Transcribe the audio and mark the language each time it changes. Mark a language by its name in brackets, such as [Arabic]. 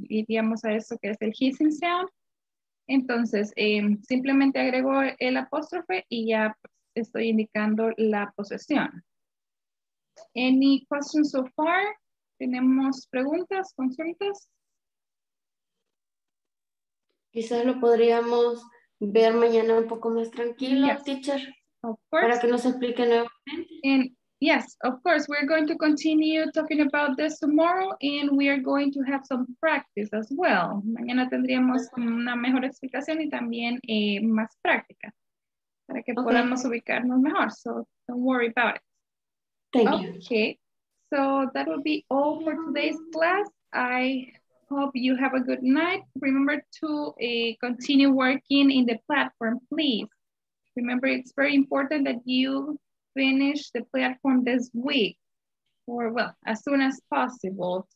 [Spanish] Iríamos a eso que es el hissing sound. Entonces simplemente agrego el apóstrofe y ya estoy indicando la posesión. [English] Any questions so far? [Spanish] ¿Tenemos preguntas, consultas? Quizás lo podríamos ver mañana un poco más tranquilo, yes. [English] Teacher. Of course. [Spanish] Para que nos explique nuevamente. [English] And yes, of course, we're going to continue talking about this tomorrow and we are going to have some practice as well. [Spanish] Mañana tendríamos una mejor explicación y también más práctica para que podamos ubicarnos mejor. [English] So don't worry about it. Thank you. Okay. So that will be all for today's class. I hope you have a good night. Remember to continue working in the platform, please. Remember, it's very important that you finish the platform this week, or well, as soon as possible.